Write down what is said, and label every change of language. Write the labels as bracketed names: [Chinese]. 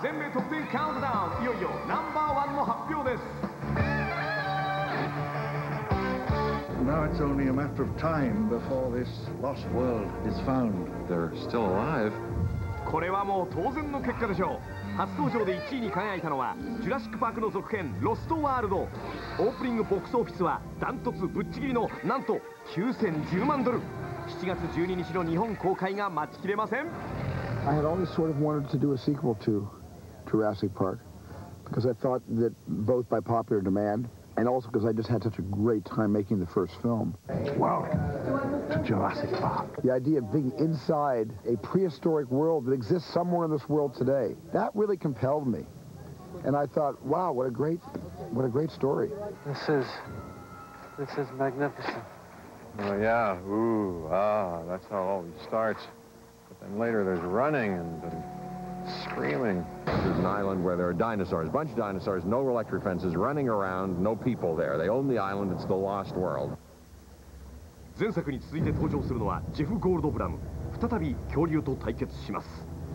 [Japanese] 全米トップ10カウントダウン。いよいよナンバーワンの発表です。 [English] Now it's only a matter of time before this lost world is found. They're still alive. [Japanese] これはもう当然の結果でしょう。初登場で1位に輝いたのはジュラシックパークの続編ロストワールド。オープニングボックスオフィスはダントツぶっちぎりのなんと9,010万ドル。 7月12日の日本公開が待ちきれません。 [English] I had always sort of wanted to do a sequel to Jurassic Park because I thought that both by popular demand And also because I just had such a great time making the first film. Welcome to Jurassic Park. The idea of being inside a prehistoric world that exists somewhere in this world today, that really compelled me. And I thought, wow, what a great story. This is magnificent. Oh, yeah. Ooh, ah, that's how it always starts. But then later there's running and screaming. There's an island where there are dinosaurs, a bunch of dinosaurs, no electric fences, running around, no people there. They own the island. It's the Lost World. [Japanese] 前作に続いて登場するのはジェフ・ゴールドブラム。再び恐竜と対決します。